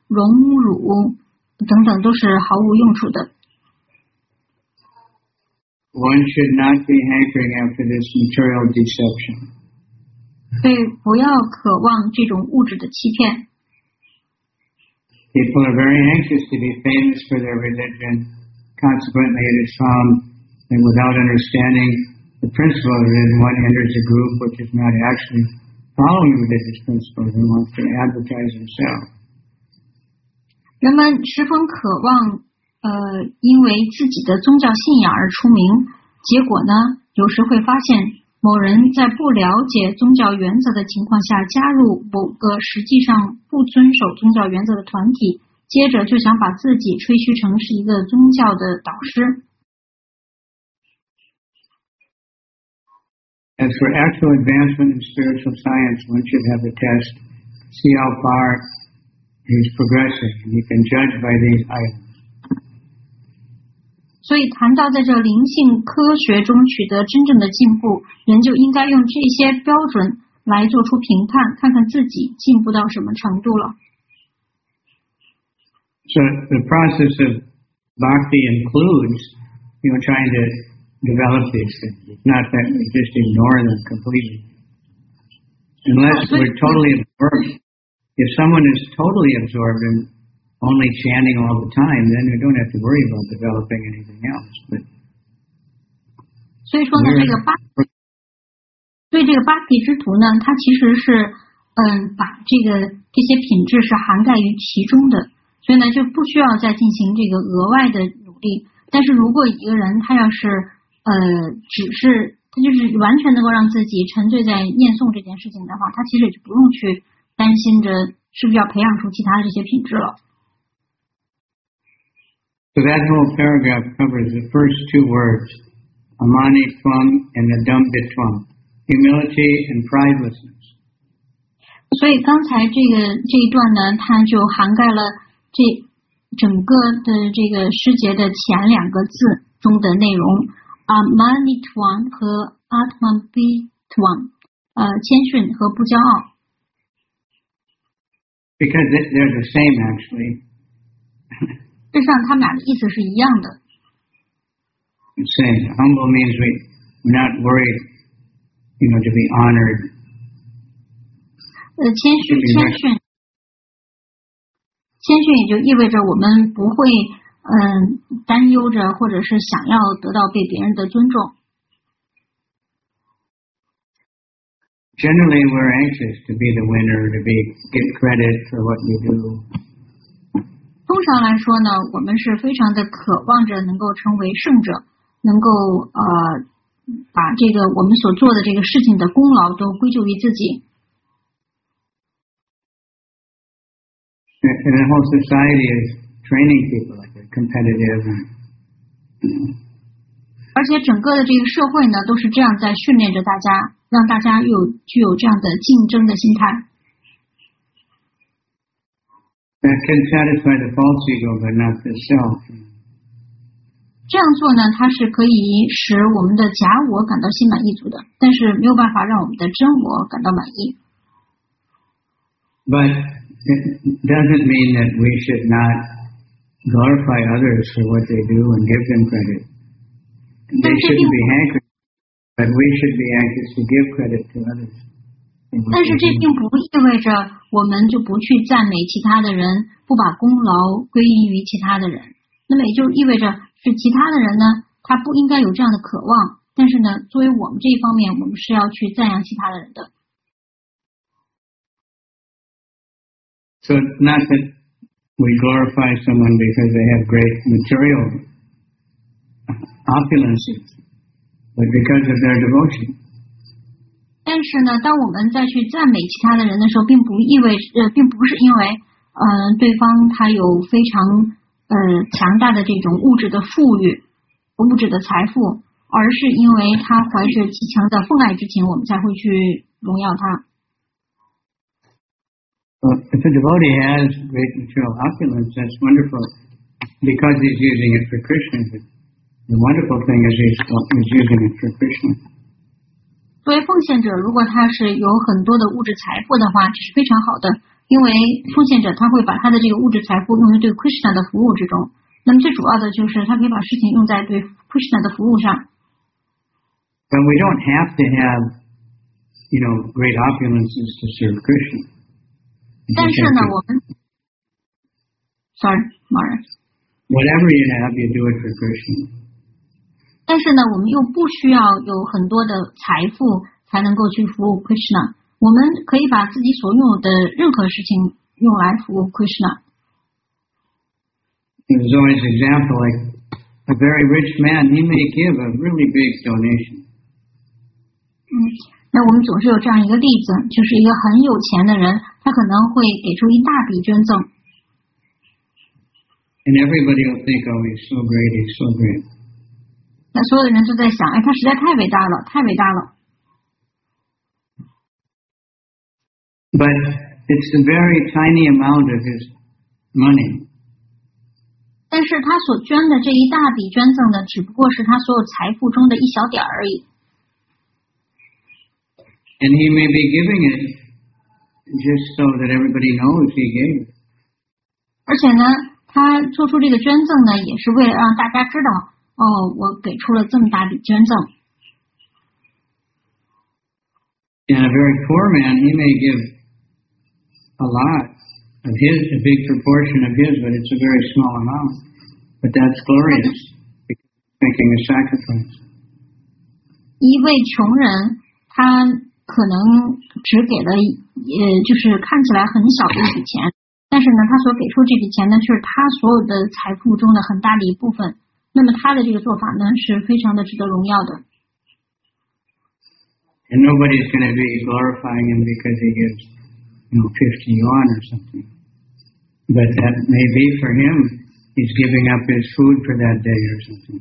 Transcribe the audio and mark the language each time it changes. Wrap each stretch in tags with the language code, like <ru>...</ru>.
<zh>荣辱等等都是毫无用处的。</zh> <en>One should not be hankering after this material deception.</en> <zh>对，不要渴望这种物质的欺骗。</zh> <en>People are very anxious to be famous for their religion. Consequently, it is found that without understanding the principle of it, one enters a group which is not actually following religious principles and wants to advertise himself.</en> <zh>人们十分渴望因为自己的宗教信仰而出名，结果呢有时会发现某人在不了解宗教原则的情况下加入某个实际上不遵守宗教原则的团体，接着就想把自己吹嘘成是一个宗教的导师。</zh> <en>As for actual advancement in spiritual science, one should have a test, see how farHe's progressing, and you can judge by these items.</en> <zh>所以谈到在这灵性科学中取得真正的进步，人就应该用这些标准来做出评判，看看自己进步到什么程度了。</zh> <en>So the process of bhakti includes, you know, trying to develop these things. It's not that we just ignore them completely. Unless we're totally absorbed. If someone is totally absorbed in only chanting all the time, then we don't have to worry about developing anything else. But</en> <zh>所以说呢，这个巴对这个巴提之徒呢，他其实是把这些品质是涵盖于其中的，所以呢就不需要再进行这个额外的努力。但是如果一个人他要是只是他就是完全能够让自己沉醉在念诵这件事情的话，他其实就不用去。担心着是不是要培养出其他的这些品质了。</zh> <en>So that whole paragraph covers the first two words, amani tvam and adambi tvam, humility and pridelessness.</en> <zh>所以刚才这一段呢，它就涵盖了这整个的这个诗节的前两个字中的内容 ，amani tvam 和 atmambi tvam， 谦逊和不骄傲。</zh> <en>Because they're the same, actually.</en> <zh>实际上他们俩的意思是一样的。</zh> <en>Same. Humble means we're not worried, you know, to be honored.</en> <zh>谦逊也就意味着我们不会担忧着或者是想要得到被别人的尊重。</zh> <en>Generally, we're anxious to be the winner, to be get credit for what you do.</en> <zh>通常来说呢，我们是非常的渴望着能够成为胜者，能够把这个我们所做的这个事情的功劳都归咎于自己。</zh> <en>And the whole society is training people like they're competitive.</en> <zh>而且整个的这个社会呢，都是这样在训练着大家。让大家有具有这样的竞争的心态。</zh> <en>That can satisfy the false ego, but not the self.</en> <zh>这样做呢，它是可以使我们的假我感到心满意足的，但是没有办法让我们的真我感到满意。</zh> <en>But it doesn't mean that we should not glorify others for what they do and give them credit. They shouldn't be angry. But we should be anxious to give credit to others.</en> <zh>但是这并不意味着我们就不去赞美其他的人，不把功劳归因于其他的人。那么也就意味着是其他的人呢，他不应该有这样的渴望。但是呢，作为我们这一方面，我们是要去赞扬其他的人的。</zh> <en>So not that we glorify someone because they have great material opulences. But because of their devotion.</en> <zh>但是呢，当我们再去赞美其他的人的时候，并不意味并不是因为对方他有非常强大的这种物质的富裕、物质的财富，而是因为他怀着极强的奉爱之情，我们才会去荣耀他。</zh> <en>If a devotee has great material opulence, that's wonderful, because he's using it for Krishna. The wonderful thing is he's using it for Krishna.</en> <zh>作为奉献者，如果他是有很多的物质财富的话，这是非常好的，因为奉献者他会把他的这个物质财富用于对 Krishna 的服务之中。那么最主要的就是他可以把事情用在对 Krishna 的服务上。</zh> <en>But we don't have to have, you know, great opulences to serve Krishna.</en> <zh>但是呢，我们 ，</zh> <en>Sorry, Mara. Whatever you have, you do it for Krishna.</en> <zh>但是呢，我们又不需要有很多的财富才能够去服务 Krishna。我们可以把自己所拥有的任何事情用来服务 Krishna。</zh> <en>There's always an example like a very rich man, he may give a really big donation.</en> <zh>那我们总是有这样一个例子，就是一个很有钱的人，他可能会给出一大笔捐赠。</zh> <en>And everybody will think, oh, he's so great, he's so great.</en> <zh>那所有的人都在想，哎，他实在太伟大了，太伟大了。</zh> <en>But it's a very tiny amount of his money.</en> <zh>但是他所捐的这一大笔捐赠的，只不过是他所有财富中的一小点而已。</zh> <en>And he may be giving it just so that everybody knows he gave it.</en> <zh>而且呢，他做出这个捐赠呢，也是为了让大家知道。哦，我给出了这么大笔捐赠。</zh> <en>And a very poor man, he may give a lot of his, a big proportion of his, but it's a very small amount. But that's glorious, making a sacrifice.</en> <zh>一位穷人，他可能只给了，就是看起来很小的一笔钱，但是呢，他所给出这笔钱呢，就是他所有的财富中的很大的一部分。那么他的这个做法呢，是非常的值得荣耀的。</zh> <en>And nobody is going to be glorifying him because he gives, you know, 50 yuan or something. But that may be for him, he's giving up his food for that day or something.</en>